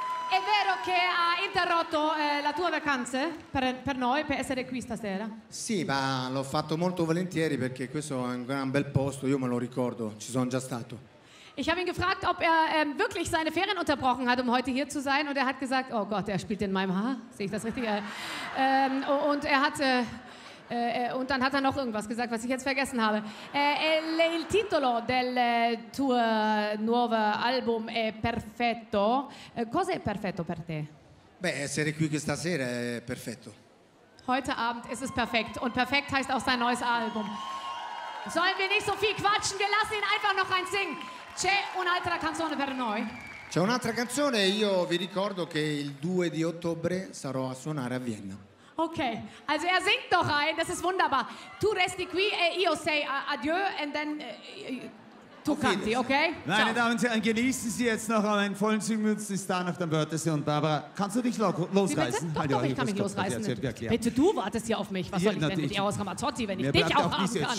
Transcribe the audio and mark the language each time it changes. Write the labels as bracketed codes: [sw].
[it] È vero che ha interrotto la tua vacanza per noi, per essere qui stasera? Sì, ma l'ho fatto molto volentieri perché questo è un gran bel posto, io me lo ricordo, ci sono già stato. [de] Ich habe ihn gefragt, ob er wirklich seine Ferien unterbrochen hat, um heute hier zu sein, und er hat gesagt, oh Gott, er spielt in meinem Haar, sehe ich das richtig? Und er hatte und dann hat er noch irgendwas gesagt, was ich jetzt vergessen habe. [it] Il titolo del tuo nuovo album è Perfetto. Cosa è perfetto per te? Beh, essere qui questa sera è perfetto. [de] Heute Abend ist es perfekt. Und perfekt heißt auch sein neues Album. Sollen wir nicht so viel quatschen? Wir lassen ihn einfach noch eins singen. [it] C'è un'altra canzone per noi? C'è un'altra canzone. Io vi ricordo che il 2 di ottobre sarò a suonare a Vienna. [de] Okay, also er singt doch ein, das ist wunderbar. [it] Tu resti qui e io sei adieu [en] and then [it] tu canti, okay? [de] Meine Damen und Herren, genießen Sie jetzt noch einen vollen Singmünzis danach, dann wörte Sie und Barbara, kannst du dich losreißen? Doch, doch, ich kann mich losreißen. Bitte, du wartest hier auf mich. Was soll ich denn mit Eros Ramazzotti, wenn ich dich auch haben kann?